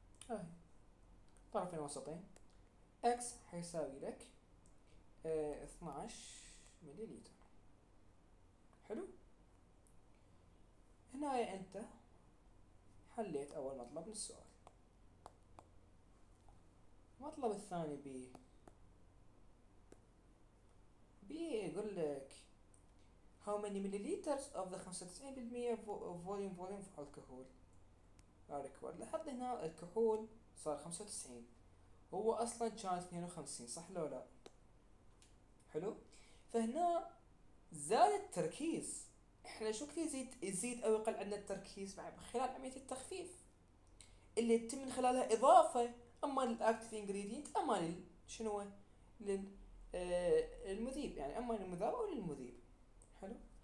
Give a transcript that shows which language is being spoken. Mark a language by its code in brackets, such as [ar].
[ar] هاي طرفين وسطين اكس حيساوي لك 12 مليليتر. حلو، هنا انت حليت اول مطلب من السؤال. المطلب الثاني بي يقول لك [en] how many milliliters of the 95% volume of alcohol are required. [ar] لاحظ هنا الكحول صار 95، هو اصلا كان 52 صح لو لا؟ حلو، فهنا زاد التركيز. احنا شو كثير يزيد او يقل عندنا التركيز خلال عملية التخفيف اللي يتم من خلالها اضافة اما للاكتف انجريدينت اما شنو للمذيب، يعني اما للمذاب او للمذيب. حلو،